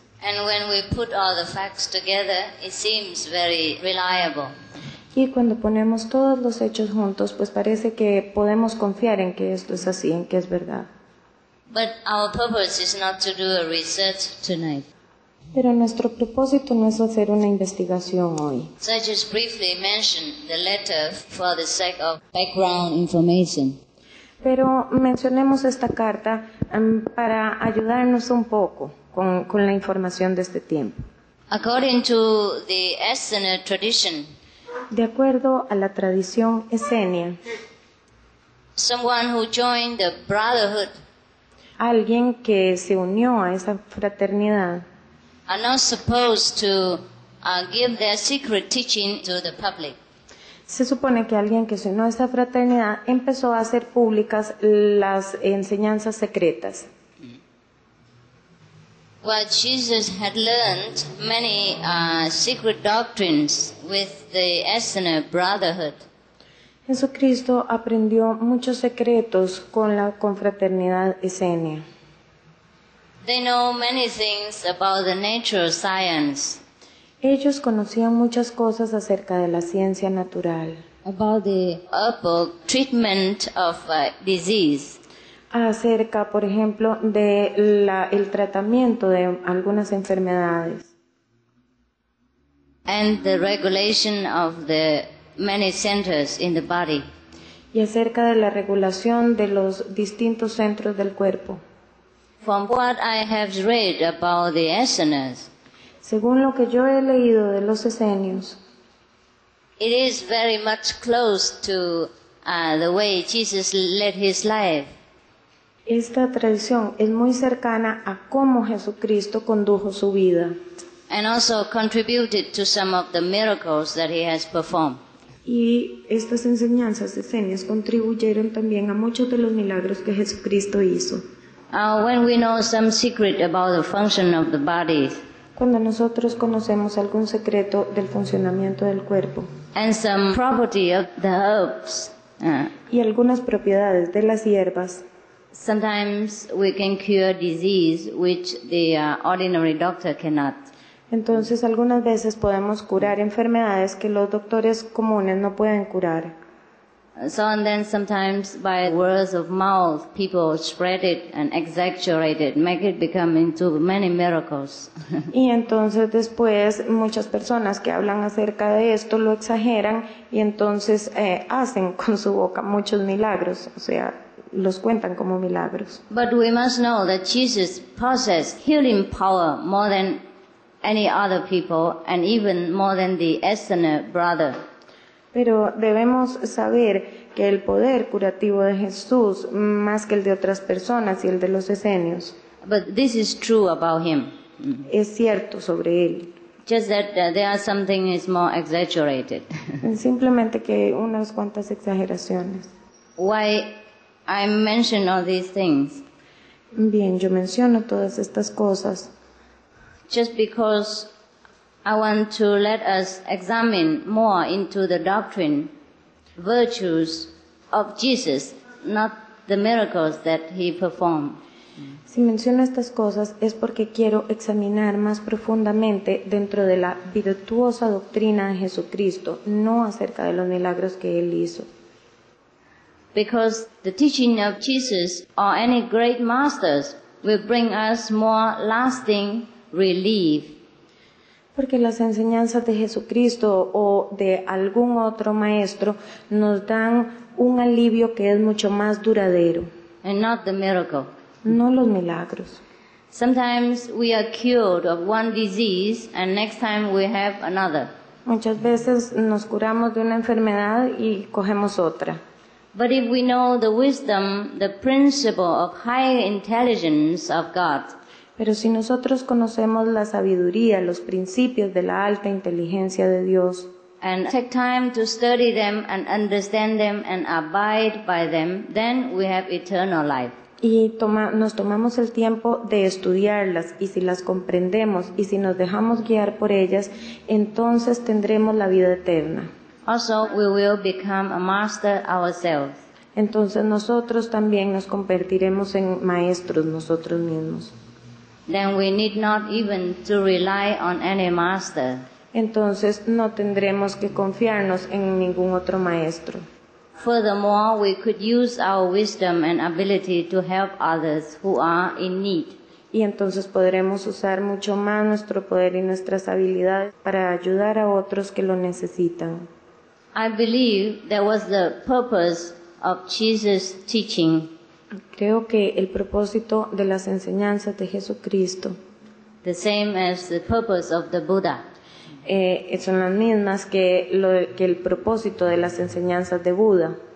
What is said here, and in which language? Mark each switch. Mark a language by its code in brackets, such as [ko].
[en] And when we put all the facts together, it seems very reliable. [es] Y cuando ponemos todos los hechos juntos, pues parece que podemos confiar en que esto es así, en que es verdad. [en] But our purpose is not to do a research tonight. [es] Pero nuestro propósito no es hacer una investigación hoy. [en] So I just briefly mentioned the letter for the sake of background information. [es] Pero mencionemos esta carta para ayudarnos un poco con la información de este tiempo. [en] According to the Essene tradition. [es] De acuerdo a la tradición esenia. [en] Someone who joined the brotherhood. [es] Alguien que se unió a esa fraternidad. [en] Are not supposed to give their secret teaching to the public. [es] Se supone que alguien que se unió a esta fraternidad empezó a hacer públicas las enseñanzas secretas. [en] Well, Jesus had learned many secret doctrines with the Essene Brotherhood. [es] Jesucristo aprendió muchos secretos con la confraternidad Esenia. [en] They know many things about the natural science. [es] Ellos conocían muchas cosas acerca de la ciencia natural. [en] About the herbal treatment of disease. [es] Acerca, por ejemplo, de el tratamiento de algunas enfermedades. [en] And the regulation of the many centers in the body. [es] Y acerca de la regulación de los distintos centros del cuerpo. [en] From what I have read about the Essenes. [es] Según lo que yo he leído de los Esenios. [en] It is very much close to the way Jesus led his life. [es] Esta tradición es muy cercana a cómo Jesucristo condujo su vida. [en] And also contributed to some of the miracles that he has performed. [es] Y estas enseñanzas esenias contribuyeron también a muchos de los milagros que Jesucristo hizo. [en] When we know some secret about the function of the body. [es] Cuando nosotros conocemos algún secreto del funcionamiento del cuerpo. [en] And some property of the herbs. [es] Y algunas propiedades de las hierbas. [en] Sometimes we can cure disease which the ordinary doctor cannot. [es] Entonces algunas veces podemos curar enfermedades que los doctores comunes no pueden curar. [en] So and then sometimes by words of mouth people spread it and exaggerate it, make it become into many miracles. [es] Y entonces después muchas personas que hablan acerca de esto lo exageran y entonces hacen con su boca muchos milagros, o sea, los cuentan como milagros. [en] But we must know that Jesus possessed healing power more than any other people and even more than the Essene brother. [es] Pero debemos saber que el poder curativo de Jesús, más que el de otras personas y el de los esenios. [en] But this is true about him. [es] Es cierto sobre él. [en] Just that there are something is more exaggerated. [es] Simplemente que unas cuantas exageraciones. [en] Why I mention all these things? [es] Bien, yo menciono todas estas cosas. [en] Just because I want to let us examine more into the doctrine, virtues of Jesus, not the miracles that he performed. [es] Si menciono estas cosas es porque quiero examinar más profundamente dentro de la virtuosa doctrina de Jesucristo, no acerca de los milagros que él hizo. [en] Because the teaching of Jesus or any great masters will bring us more lasting relief. [es] Porque las enseñanzas de Jesucristo o de algún otro maestro nos dan un alivio que es mucho más duradero. [en] And not the miracle. [es] No los milagros. [en] Sometimes we are cured of one disease and next time we have another. [es] Muchas veces nos curamos de una enfermedad y cogemos otra. [en] But if we know the wisdom, the principle of higher intelligence of God. [es] Pero si nosotros conocemos la sabiduría, los principios de la alta inteligencia de Dios. [en] And take time to study them and understand them and abide by them, then we have eternal life. [es] Y nos tomamos el tiempo de estudiarlas, y si las comprendemos y si nos dejamos guiar por ellas, entonces tendremos la vida eterna. [en] Also, we will become a master ourselves. [es] Entonces nosotros también nos convertiremos en maestros nosotros mismos. [en] Then we need not even to rely on any master. [es] Entonces no tendremos que confiarnos en ningún otro maestro. [en] Furthermore, we could use our wisdom and ability to help others who are in need. [es] Y entonces podremos usar mucho más nuestro poder y nuestras habilidades para ayudar a otros que lo necesitan. [en] I believe that was the purpose of Jesus' teaching. [es] Creo que el propósito de las enseñanzas de Jesucristo. [en] The same as the purpose of the Buddha. [es] Son las mismas que el propósito de las enseñanzas de Buda